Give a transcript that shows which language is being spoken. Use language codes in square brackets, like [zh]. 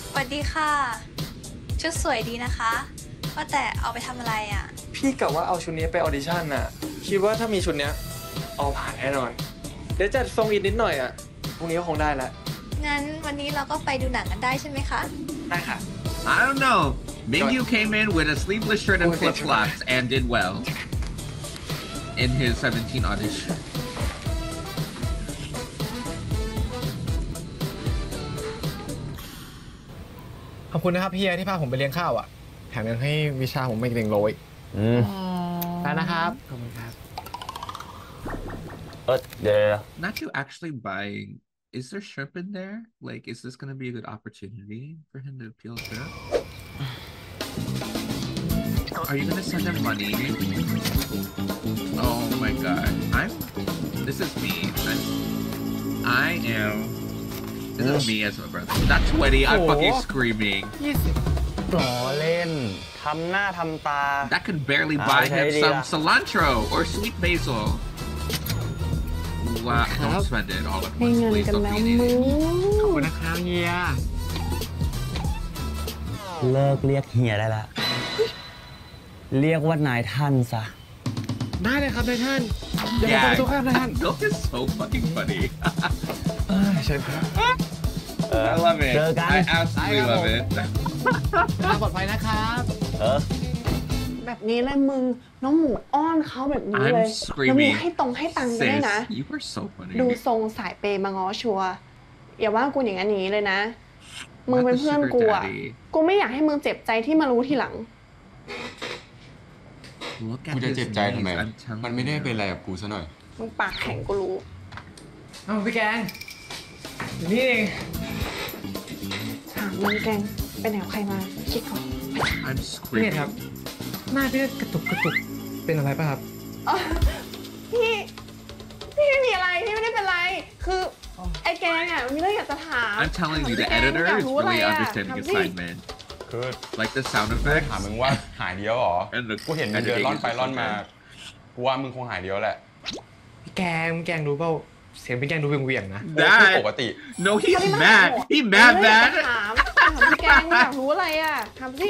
[th] สวัสดีค่ะชุดสวยดีนะคะว่าแต่เอาไปทำอะไรอ่ะ พี่กะว่าเอาชุดนี้ไปออดิชั่นน่ะคิดว่าถ้ามีชุดนี้เอาผ่านแน่นอนเดี๋ยวจัดทรงอีกนิดหน่อยอ่ะพรุ่งนี้ก็คงได้ละ งั้นวันนี้เราก็ไปดูหนังกันได้ใช่ไหมคะ ได้ค่ะ [en] I don't know maybe you came in with a sleeveless shirt and flip flops and did well in his 17 audition [th] ขอบคุณนะครับพี่ที่พาผมไปเลี้ยงข้าวอ่ะแถมยังให้วิชาผมไม่เกรงโรย แล้วนะครับ ขอบคุณครับ เดี๋ยว [en] Not you actually buying Is there shrimp in there? Like is this gonna be a good opportunity for him to peel shrimp? Are you gonna send him money? Oh my god This is me I am This is me as my brother Not 20 I'm fucking screaming [th] 20 ล้อเล่นทำหน้าทำตา [en] That can barely buy him some cilantro or sweet basil. Wow, don't spend it all at once, please. Don't be an idiot. [th] ขอบคุณนะครับเฮีย เลิกเรียกเฮียได้ละเรียกว่านายท่านซะ ได้เลยครับนายท่านอย่าทำตัวข้ามนายท่าน [en] Look is so fucking funny [th] ใช่ครับ [en] I love it. [th] เจอกัน [en] I absolutely love it. [th] มาปลอดภัยนะครับ แบบนี้เลยมึงน้องหมูอ้อนเขาแบบนี้เลยแล้วมีให้ตรงให้ตังค์ได้นะดูทรงสายเปมาง้อชัวอย่าว่ากูอย่างนี้เลยนะมึงเป็นเพื่อนกูอ่ะกูไม่อยากให้มึงเจ็บใจที่มารู้ทีหลัง กูจะเจ็บใจทำไมมันไม่ได้เป็นอะไรกับกูซะหน่อย มึงปากแข็งกูรู้เอาพี่แกงนี่เอง ถามมึงแกงไปไหนเอาใครมาคิดก่อน นี่ครับหน้าพี่กระตุกกระตุกเป็นอะไรป่ะครับ พี่ไม่มีอะไรพี่ไม่ได้เป็นไรคือไอ้แกงอ่ะมีเรื่องอยากจะถาม [en] I'm telling you the editor is really understanding assignment Good. Like the sound effect. [th] ถามมึงว่าหายเดียวหรอกูเห็นมึงเดินล่อนไปล่อนมากูว่ามึงคงหายเดียวแหละ พี่แกงแกงรู้เปล่าเสียงพี่แกงดูเวียงๆนะ ปกติ [en] No he's mad he's mad [th] bad ถามพี่แกงอยากรู้อะไรอ่ะถามพี